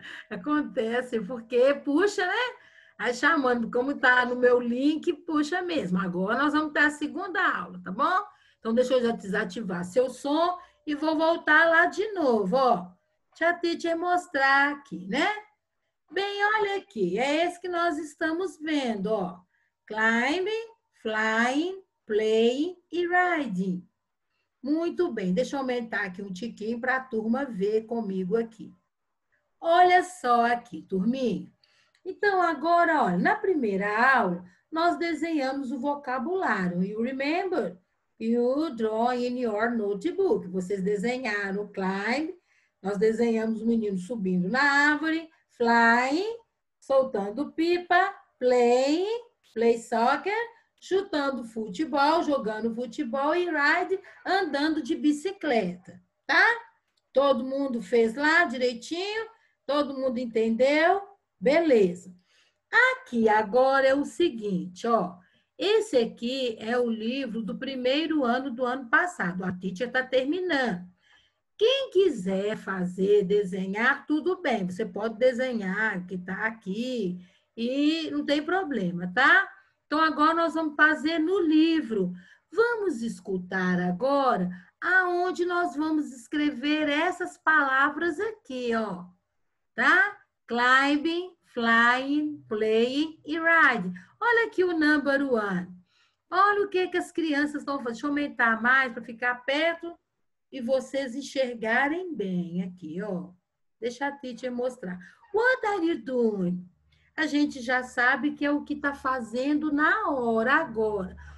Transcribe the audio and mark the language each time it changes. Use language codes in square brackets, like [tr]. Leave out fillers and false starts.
[pt] Acontece, porque puxa, né? Aí chamando, como tá no meu link, puxa mesmo. Agora nós vamos ter a segunda aula, tá bom? Então deixa eu já desativar seu som e vou voltar lá de novo, ó. Deixa a teacher mostrar aqui, né? Bem, olha aqui, é esse que nós estamos vendo, ó. [en] Climbing, flying, playing e riding. [pt] Muito bem, deixa eu aumentar aqui um tiquinho para a turma ver comigo aqui. Olha só aqui, turminha. Então, agora, olha, na primeira aula, nós desenhamos o vocabulário. [en] You remember? You draw in your notebook. [pt] Vocês desenharam o climb, nós desenhamos o menino subindo na árvore, flying, soltando pipa, playing. Play soccer, chutando futebol, jogando futebol e ride, andando de bicicleta, tá? Todo mundo fez lá direitinho, todo mundo entendeu? Beleza. Aqui agora é o seguinte, ó. Esse aqui é o livro do primeiro ano do ano passado. A teacher está terminando. Quem quiser fazer, desenhar, tudo bem. Você pode desenhar que tá aqui e não tem problema, tá? Então, agora nós vamos fazer no livro. Vamos escutar agora aonde nós vamos escrever essas palavras aqui, ó. Tá? [en] Climbing, flying, playing e riding. [pt] Olha aqui o [en] number one. [pt] Olha o que que as crianças estão fazendo. Deixa eu aumentar mais para ficar perto e vocês enxergarem bem aqui, ó. Deixa a teacher mostrar. [en] What are you doing? [pt] A gente já sabe que é o que está fazendo na hora, agora.